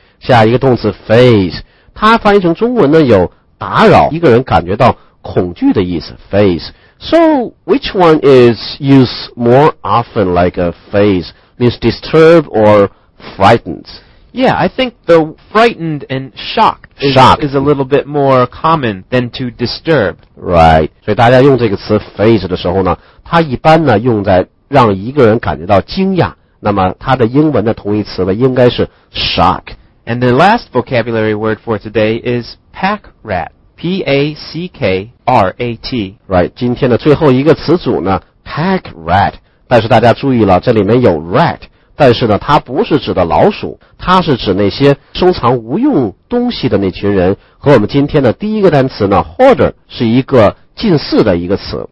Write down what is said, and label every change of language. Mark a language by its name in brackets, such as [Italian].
[Chinese] 下一个动词 phase, 它翻译成中文呢有打扰一个人感觉到恐惧的意思 phase. [English] So, which one is used more often like a phase, means disturb or frightened? Yeah, I think the frightened and shocked. Shock. Is a little bit more common than to disturb. Right. [Chinese] 所以大家用这个词 phase 的时候呢，它一般呢用在让一个人感觉到惊讶。那么它的英文的同义词呢应该是 shock. [English] And the last vocabulary word for today is pack rat. P P-A-C-K-R-A-T. [Chinese] Right, 今天的最后一个词组呢 pack rat， 但是大家注意了，这里面有 rat， 但是呢它不是指的老鼠，它是指那些收藏无用东西的那群人，和我们今天的第一个单词呢 hoarder 是一个近似的一个词。